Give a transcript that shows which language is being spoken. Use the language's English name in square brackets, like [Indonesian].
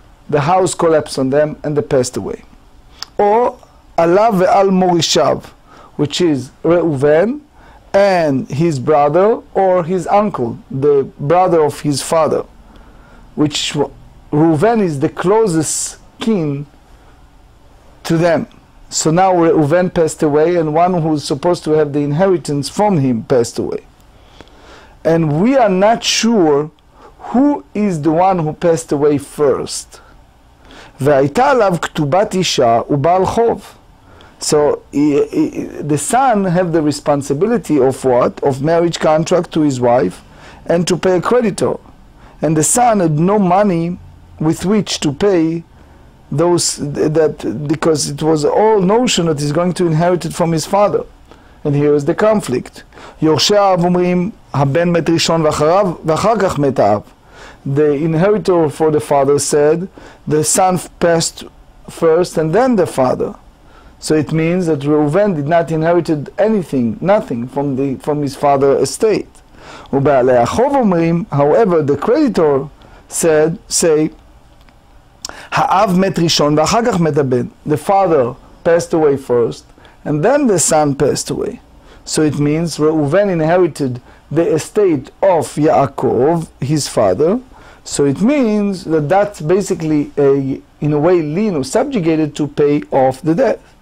[English] The house collapsed on them and they passed away. Or alav ve'al morishav, which is Reuven and his brother or his uncle, the brother of his father, which Reuven is the closest kin to them. So now Reuven passed away and one who is supposed to have the inheritance from him passed away. And we are not sure who is the one who passed away first. [Hebrew] והייתה עליו כתובת אישה ובעל חוב. [English] So the son have the responsibility of what? Of marriage contract to his wife and to pay a creditor. And the son had no money with which to pay those, that because it was all notion that he's going to inherit it from his father. And here is the conflict. [Hebrew] יורשי האב אומרים, הבן מת ראשון ואחר כך מת האב. [English] The inheritor for the father said, the son passed first and then the father. So it means that Reuven did not inherit anything, nothing from his father's estate. [Hebrew] ובעלי החוב אומרים, [English] however, the creditor said, say, [Hebrew] האב מת ראשון ואחר כך מת הבן. [English] The father passed away first, and then the son passed away. So it means Reuven inherited the estate of Yaakov, his father. So it means that that's basically a, in a way, lien or subjugated to pay off the debt.